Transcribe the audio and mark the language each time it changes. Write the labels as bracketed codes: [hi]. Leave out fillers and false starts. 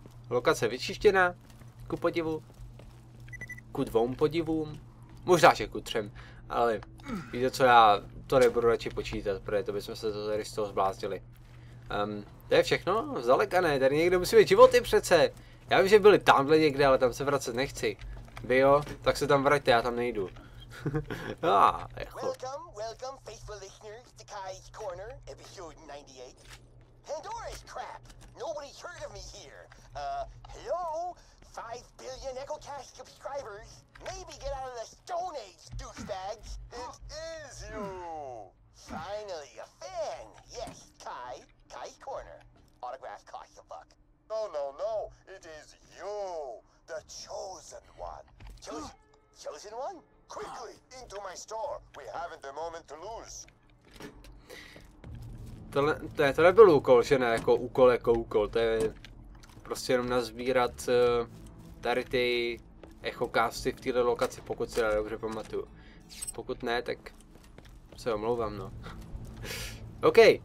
[cs] Lokace vyčištěná. Ku podivu. Ku dvou podivům. Možná, že ku třem. Ale víte co, já to nebudu radši počítat, protože to bychom se to tady z toho zbláznili. To je všechno? Zdaleka ne, tady někde musí být životy přece. Já vím, že byli tamhle někde, ale tam se vracet nechci. Vy jo, tak se tam vraťte, já tam nejdu. [en] Welcome, faithful listeners to Kai's Corner, episode 98. Pandora's crap! Nobody's heard of me here. Hello? 5 billion EchoCast subscribers? Maybe get out of the Stone Age, douchebags! It is you! Finally, a fan! Yes, Kai. Kai's Corner. Autograph costs a buck. No, no, no, it is you, the chosen one. Chosen one? Quickly, into my store, we haven't a moment to lose. [cs] To nebyl úkol, že ne, jako úkol jako úkol, to je prostě jenom nazbírat tady ty echokásty v této lokaci, pokud si dále dobře pamatuju. Pokud ne, tak se omlouvám, no. OK.